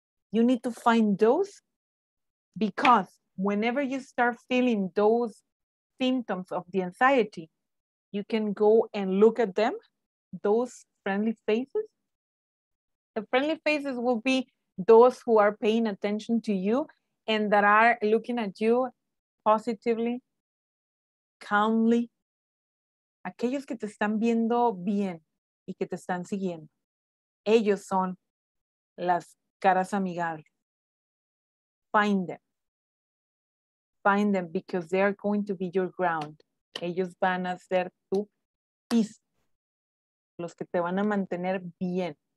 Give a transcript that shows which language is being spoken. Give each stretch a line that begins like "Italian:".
English: You need to find those, because whenever you start feeling those symptoms of the anxiety, you can go and look at them, those friendly faces. The friendly faces will be those who are paying attention to you and that are looking at you positively, calmly.
Spanish: Aquellos que te están viendo bien y que te están siguiendo. Ellos son las caras amigables.
English: Find them. Find them, because they are going to be your ground.
Spanish: Ellos van a ser tu piso, los que te van a mantener bien.